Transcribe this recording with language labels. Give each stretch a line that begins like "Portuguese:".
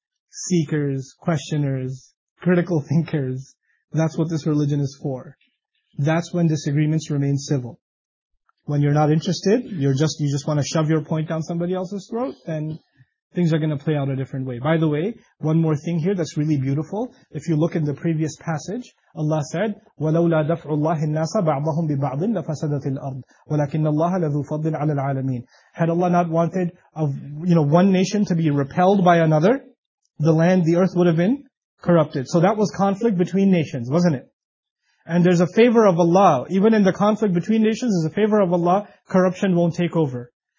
English: Seekers, questioners, critical thinkers. That's what this religion is for. That's when disagreements remain civil. When you're not interested, you just want to shove your point down somebody else's throat, then things are going to play out a different way. By the way, one more thing here that's really beautiful. If you look in the previous passage, Allah said,
Arabic: وَلَوْلَا دَفْعُ اللَّهِ النَّاسَ بَعْضَهُمْ بِبَعْضٍ لَفَسَدَتِ الْأَرْضِ وَلَكِنَّ اللَّهَ لَذُو فَضْلٍ عَلَى الْعَالَمِينَ.
English: Had Allah not wanted one nation to be repelled by another, the land, the earth would have been corrupted. So that was conflict between nations, wasn't it? And there's a favor of Allah. Even in the conflict between nations, there's a favor of Allah, corruption won't take over.